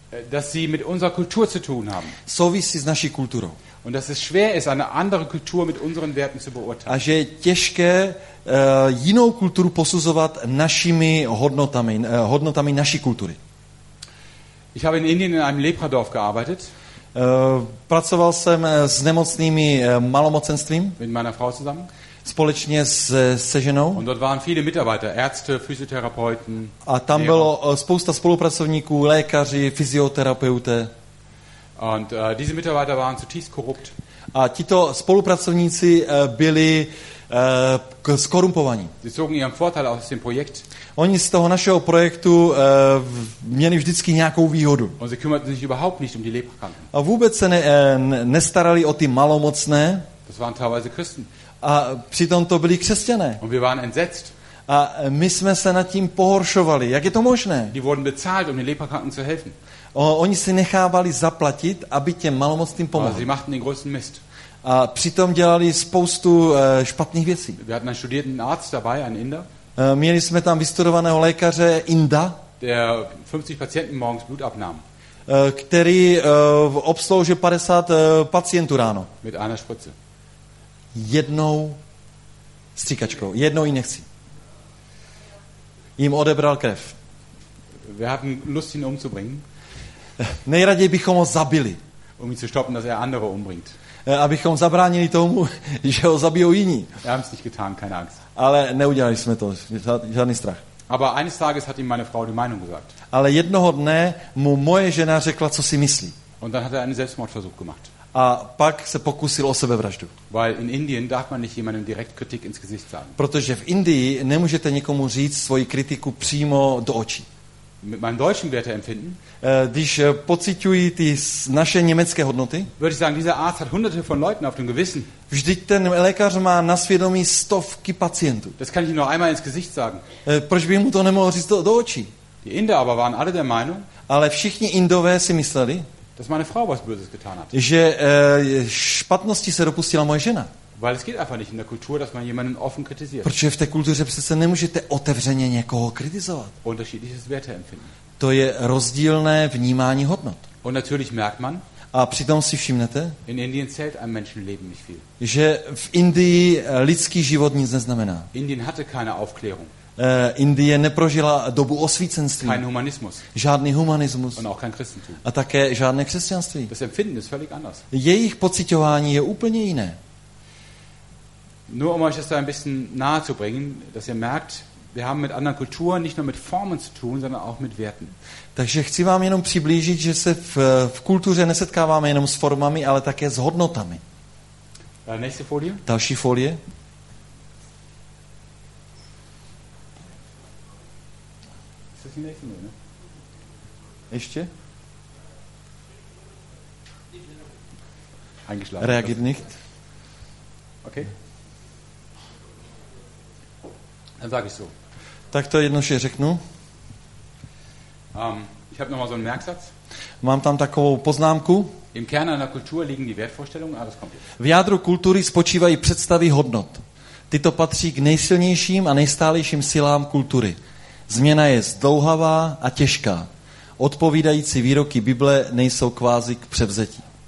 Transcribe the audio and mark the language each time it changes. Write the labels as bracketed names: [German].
[German] dass sie mit unserer Kultur zu tun haben. [Czech] Souvisí s naší kulturou. [German] Und dass es schwer ist, eine andere Kultur mit unseren Werten zu beurteilen. [Czech] A že je těžké jinou kulturu posuzovat našimi hodnotami, hodnotami naší kultury. [German] Ich habe in Indien in einem Lepradorf gearbeitet. [Czech] Pracoval jsem s nemocnými malomocenstvím. [German] Mit meiner Frau zusammen. [Czech] Společně se ženou. [German] Und dort waren viele Mitarbeiter, Ärzte, Physiotherapeuten. [Czech] A tam bylo spousta spolupracovníků, lékaři, fyzioterapeuté. [German] Und diese Mitarbeiter waren zutiefst korrupt. [Czech] A tito spolupracovníci byli skorumpovaní. [German] Sie zogen ihren Vorteil aus dem Projekt. [Czech] Oni z toho našeho projektu měli vždycky nějakou výhodu. [German] Und sie kümmerten sich überhaupt nicht um die Leprakranken. [Czech] A vůbec se nestarali o ty malomocné. [German] Das waren teilweise Christen. [Czech] A přitom to byli křesťané. [German] Und wir waren entsetzt. [Czech] A my jsme se nad tím pohoršovali. Jak je to možné? [German] Die wurden bezahlt, um den Leprakranken zu helfen. [Czech] Oni si nechávali zaplatit, aby těm malomocným pomohli. [German] Sie machten den größten Mist. [Czech] A přitom dělali spoustu špatných věcí. [German] Wir hatten einen studierten Arzt dabei, einen Inder. [Czech] Měli jsme tam vystudovaného lékaře Inda, [German] der 50 Patienten morgens Blut abnahm. [Czech] Který obsloužil 50 pacientů ráno. [German] Mit einer Spritze. [Czech] Jednou stříkačkou, jednou injekcí. Jim odebral krev. [German] Wir haben Lust, ihn umzubringen. [Czech] Nejraději bychom ho zabili. [German] Um ihn zu stoppen, dass er andere umbringt. [Czech] Abychom zabránili tomu, že ho zabijou jiní. [German] Wir haben es nicht getan, keine Angst. [Czech] Ale neudělali jsme to, žádný strach. [German] Aber eines Tages hat ihm meine Frau die Meinung gesagt. [Czech] Ale jednoho dne mu moje žena řekla, co si myslí. [German] Und dann hat er einen Selbstmordversuch gemacht. [Czech] A pak se pokusil o sebevraždu. [German] Weil in Indien darf man nicht jemandem direkt Kritik ins Gesicht sagen. [Czech] Protože v Indii nemůžete nikomu říct svoji kritiku přímo do očí. [German] Mit meinen deutschen Werte empfinden? [Czech] Když pociťuji ty naše německé hodnoty? [German] Würde ich sagen, dieser Arzt hat hunderte von Leuten auf dem Gewissen. [Czech] Vždyť ten lékař má na svědomí stovky pacientů. [German] Das kann ich nur einmal ins Gesicht sagen. [Czech] Proč bych mu to nemohl říct do očí? [German] Die Inder aber waren alle der Meinung. [Czech] Ale všichni Indové si mysleli, [German] dass meine Frau was Böses getan hat. [Czech] Že špatnosti se dopustila moje žena. [German] Weil es geht einfach nicht in der Kultur, dass man jemanden offen kritisiert. [Czech] Protože v té kultuře přece nemůžete otevřeně někoho kritizovat. [German] Unterschiedliches Werteempfinden. [Czech] To je rozdílné vnímání hodnot. [German] Und natürlich merkt man. [Czech] A přitom si všimnete. [German] In Indien zählt ein Menschenleben nicht viel. [Czech] Že v Indii lidský život nic neznamená. [German] Indien hatte keine Aufklärung. [Czech] Indie neprožila dobu osvícenství. [German] Kein Humanismus. [Czech] Žádný humanismus. [German] Und auch kein Christentum. [Czech] A také žádné křesťanství. [German] Das Empfinden ist völlig anders. [Czech] Jejich pociťování je úplně jiné. [German] Nur um euch das da ein bisschen nahe zu bringen, dass ihr merkt, wir haben mit anderen Kulturen nicht nur mit Formen zu tun, sondern auch mit Werten. [Czech] Takže chci vám jenom přiblížit, že se v kultuře nesetkáváme jenom s formami, ale také s hodnotami. [German] Nächste Folie. [Czech] Další folie. Ještě? [German] Eingeschlafen. Reagiert nicht. Okay. Dann sage ich so. [Czech] Tak to jednoduše řeknu. [German] Ich habe noch mal so einen Merksatz. [Czech] Mám tam takovou poznámku. [German] Im Kern einer Kultur liegen die Wertvorstellungen, alles kommt. [Czech] V jádru kultury spočívají představy hodnot. Tyto patří k nejsilnějším a nejstálejším silám kultury. Změna je zdlouhavá a těžká. Odpovídající výroky Bible nejsou kvázi k převzetí.